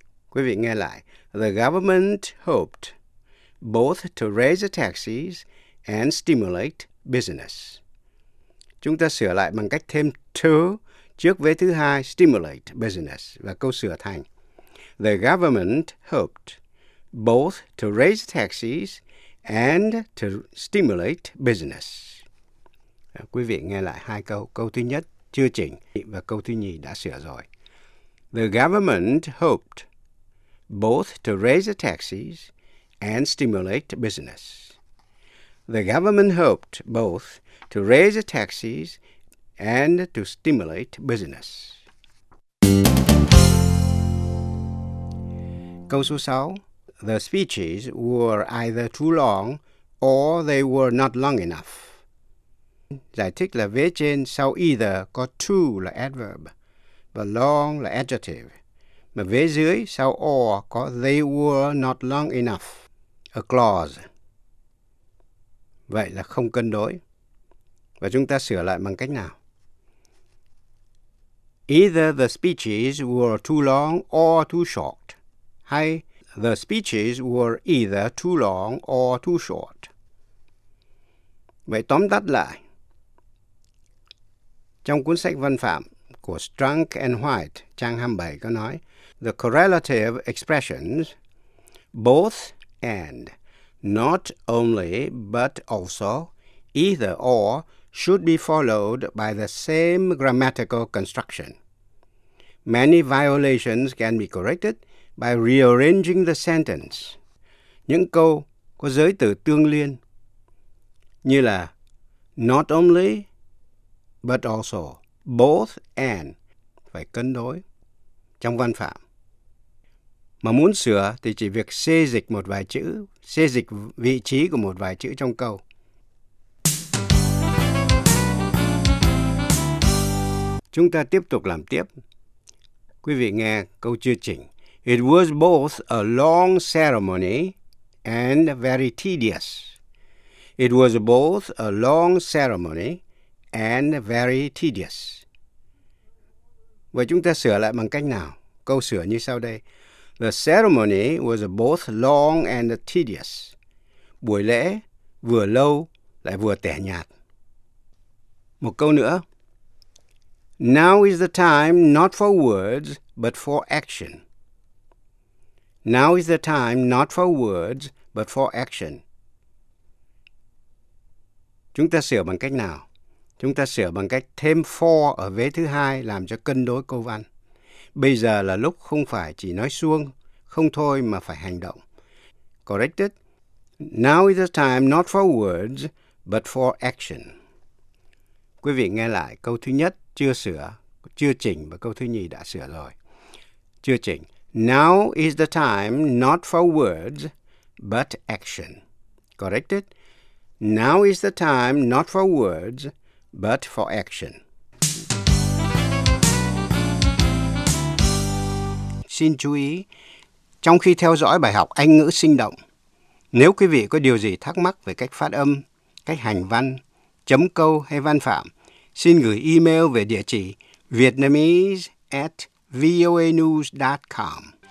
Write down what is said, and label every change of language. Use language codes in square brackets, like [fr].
[vi] Quý vị nghe lại. [en] The government hoped both to raise taxes and stimulate business. [vi] Chúng ta sửa lại bằng cách thêm to trước vế thứ hai, [en] stimulate business. [vi] Và câu sửa thành. [en] The government hoped both to raise taxes and to stimulate business. [vi] Quý vị nghe lại hai câu. Câu thứ nhất chưa chỉnh và câu thứ nhì đã sửa rồi. [en] The government hoped both to raise taxes and stimulate business. The government hoped both to raise taxes and to stimulate business. [vi] Câu số 6. [en] The speeches were either too long or they were not long enough. [vi] Giải thích là vế trên sau either có too là adverb và long là adjective. Mà vế dưới sau [en] or có they were not long enough, a clause. [vi] Vậy là không cân đối. Và chúng ta sửa lại bằng cách nào? [en] Either the speeches were too long or too short. Hay the speeches were either too long or too short. [vi] Vậy tóm tắt lại. Trong cuốn sách văn phạm của Strunk and White, trang 27 có nói, [en] the correlative expressions, both and, not only but also, either or, should be followed by the same grammatical construction. Many violations can be corrected by rearranging the sentence. [vi] Những câu có giới từ tương liên như là [en] not only but also, [vi] both and phải cân đối trong văn phạm. Mà muốn sửa thì chỉ việc xê dịch một vài chữ, xê dịch vị trí của một vài chữ trong câu. Chúng ta tiếp tục làm tiếp. Quý vị nghe câu chưa chỉnh. [en] It was both a long ceremony and very tedious. It was both a long ceremony and very tedious. [vi] Vậy chúng ta sửa lại bằng cách nào? Câu sửa như sau đây. [en] The ceremony was both long and tedious. [vi] Buổi lễ vừa lâu lại vừa tẻ nhạt. Một câu nữa. [en] Now is the time not for words, but for action. Now is the time not for words, but for action. [vi] Chúng ta sửa bằng cách nào? Chúng ta sửa bằng cách thêm for ở vế thứ hai làm cho cân đối câu văn. Bây giờ là lúc không phải chỉ nói suông, không thôi mà phải hành động. [en] Corrected. Now is the time not for words, but for action. [vi] Quý vị nghe lại câu thứ nhất chưa sửa, chưa chỉnh và câu thứ nhì đã sửa rồi. Chưa chỉnh. [en] Now is the time not for words, but action. Corrected. Now is the time not for words, but for action. [vi] Xin chú ý, trong khi theo dõi bài học Anh ngữ sinh động, nếu quý vị có điều gì thắc mắc về cách phát âm, cách hành văn, chấm câu hay văn phạm, xin gửi email về địa chỉ vietnamese@voanews.com.